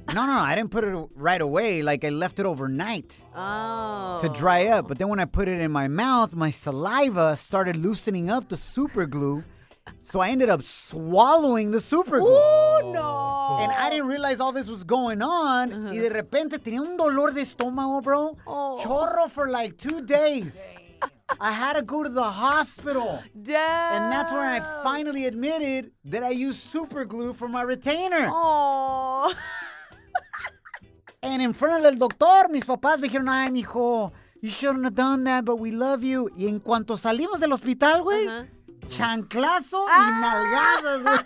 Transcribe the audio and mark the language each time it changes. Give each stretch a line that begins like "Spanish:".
English: No, I didn't put it right away. Like, I left it overnight. Oh. To dry up. But then when I put it in my mouth, my saliva started loosening up the super glue. So I ended up swallowing the super glue. Ooh, no. And I didn't realize all this was going on.
Spanish: Y de repente tenía un dolor de estómago, bro.
English: Oh. Chorro for like 2 days. Dang. I had to go to the hospital. Damn. And that's when I finally admitted that I used super glue for my retainer. Aww. And in front of the doctor,
Spanish: mis papás dijeron, ay, mijo,
English: you shouldn't have done that, but we love you.
Spanish: Y en cuanto salimos del hospital, güey, chanclazo y nalgadas.